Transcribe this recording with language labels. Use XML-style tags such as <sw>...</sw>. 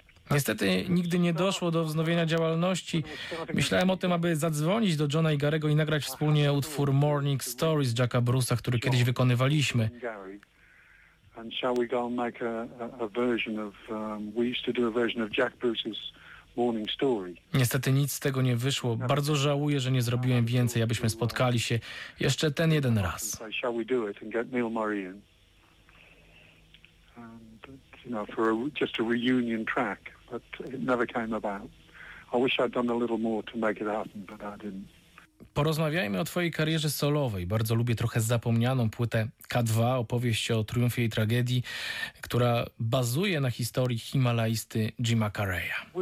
<pl>Niestety nigdy nie doszło do wznowienia działalności. Myślałem o tym, aby zadzwonić do Johna i Garego i nagrać wspólnie utwór Morning Stories Jacka Bruce'a, który kiedyś wykonywaliśmy.</pl> <en>And shall we go and make a version of, we used to do a version of Jack Bruce's Morning Story.</en> <pl>Niestety nic z tego nie wyszło. Bardzo żałuję, że nie zrobiłem więcej, abyśmy spotkali się jeszcze ten jeden raz.</pl> <en>Shall we do it and get Neil Murray in? You know, for just a reunion track, but it never came about. I wish I'd done a little more to make it happen, but I didn't.</en> <pl>Porozmawiajmy o twojej karierze solowej. Bardzo lubię trochę zapomnianą płytę K2, opowieść o triumfie i tragedii, która bazuje na historii himalaisty Jima Carreya.</pl>